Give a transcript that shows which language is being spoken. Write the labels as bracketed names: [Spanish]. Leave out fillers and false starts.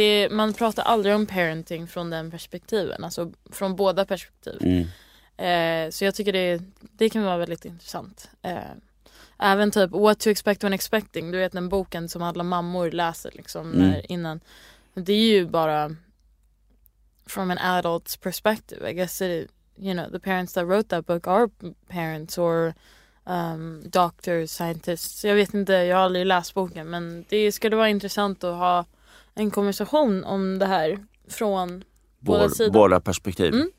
[Swedish] Man pratar aldrig om parenting från den perspektiven, alltså från båda perspektiv. Mm. Så jag tycker det kan vara väldigt intressant. Även typ What to Expect When Expecting. Du vet, den boken som alla mammor läser liksom där innan. Det är ju bara [English] from an adult's perspective. I guess the parents that wrote that book are parents or doctors, scientists. [Swedish] Jag vet inte, jag har aldrig läst boken. Men det skulle vara intressant att ha en konversation om det här från båda sidor. Båda perspektiv.